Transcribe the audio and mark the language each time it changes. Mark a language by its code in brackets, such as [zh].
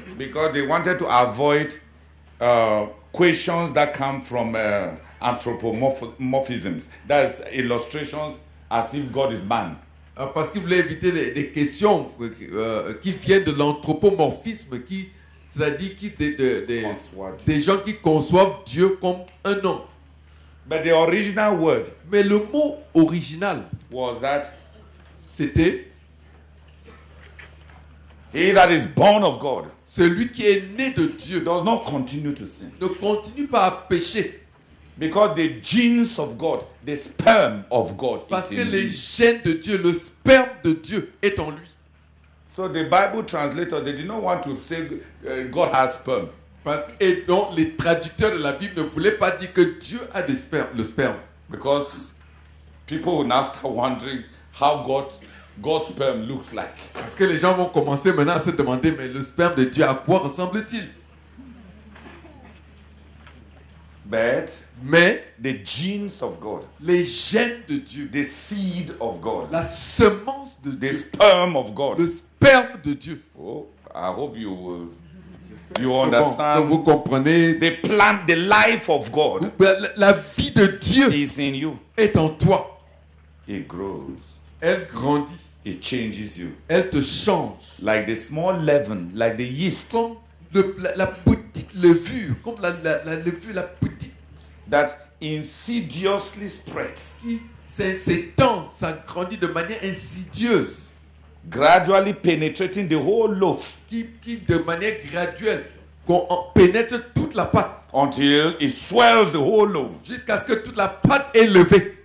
[en] Because they wanted to avoid questions that come from anthropomorphisms. That's illustrations as if God is man. [fr] Parce qu'ils voulaient éviter des questions qui viennent de l'anthropomorphisme, qui, c'est-à-dire qui, des gens qui conçoivent Dieu comme un homme. [en] But the original word, [fr] mais le mot original, [en] was that, [fr] c'était [en] he that is born of God, [fr] celui qui est né de Dieu, [en] does not continue to sin, [fr] ne continue pas à pécher. [en] Because the genes of God, the sperm of God, [fr] parce [en] is [fr] que [en] in [fr] les [en] him. [fr] Gènes de Dieu, le sperme de Dieu est en lui. [en] So the Bible translators, they did not want to say God has sperm. [fr] Parce que et donc les traducteurs de la Bible ne voulaient pas dire que Dieu a des sperme, le sperme. [en] Because people will now start wondering how God's sperm looks like. [fr] Parce que les gens vont commencer maintenant à se demander mais le sperme de Dieu à quoi ressemble-t-il? [en] But [fr] mais [en] the genes of God, [fr] les gènes de Dieu, [en] the seed of God, [fr] la semence de [en] the [fr] Dieu, [en] sperm of God, [fr] le sperme de Dieu. [en] Oh, I hope you understand. [fr] Bon, vous comprenez. [en] The plan, the life of God, [fr] la vie de Dieu, [en] is in you, [fr] est en toi. [en] It grows. [fr] Elle grandit. [en] It changes you. [fr] Elle te change. [en] Like the small leaven, like the yeast. [fr] Comme la petite levure, comme la levure, la petite. [en] That insidiously spreads. [fr] S'étend, s'agrandit de manière insidieuse. [en] Gradually penetrating the whole loaf. [fr] Qui de manière graduelle, qu'on pénètre toute la pâte. [en] Until it swells the whole loaf. [fr] Jusqu'à ce que toute la pâte est levée.